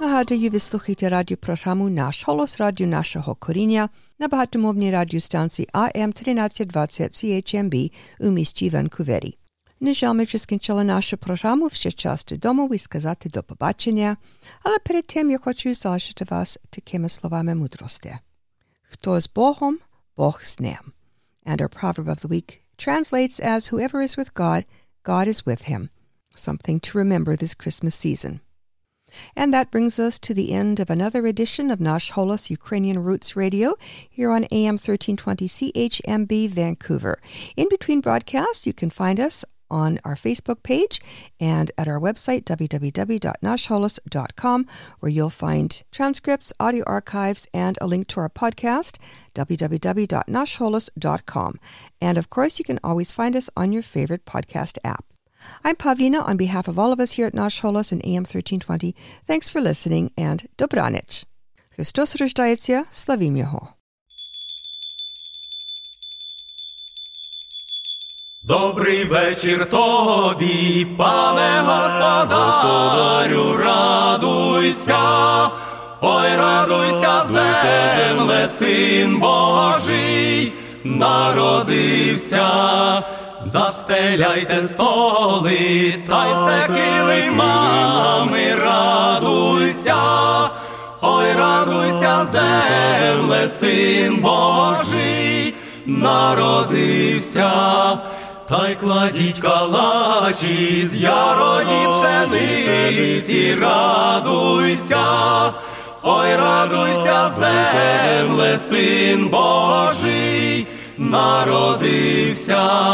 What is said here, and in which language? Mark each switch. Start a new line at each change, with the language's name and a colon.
Ukrainian: ви вислухайте радіопрограму «Наш голос», радіо нашого коріння на багатомовній радіостанції АМ 1320 CHMB у місті Ванкувері. На жаль, ми вже скінчили нашу програму, ще час додому і сказати до побачення, але перед тим я хочу залишити вас такими словами мудрості. Хто з Богом, Бог з ним.
English: And our proverb of the week translates as whoever is with God, God is with him. Something to remember this Christmas season. And that brings us to the end of another edition of Nash Holos Ukrainian Roots Radio here on AM 1320 CHMB Vancouver. In between broadcasts, you can find us on our Facebook page and at our website, www.nashholos.com, where you'll find transcripts, audio archives, and a link to our podcast, www.nashholos.com. And of course, you can always find us on your favorite podcast app. I'm Pavlina, on behalf of all of us here at Nash Holos and AM 1320. Thanks for listening, and Dobranich.
Ukrainian: Христос рождається, славім Його. Добрий вечір тобі, пане господарю, радуйся. Ой, радуйся, земле, син Божий народився. Застеляйте столи, тайся килимами, радуйся. Ой, радуйся, земле, син Божий народився. Та й кладіть калачі з ярої пшениці, радуйся. Ой, радуйся, земле, син Божий народився.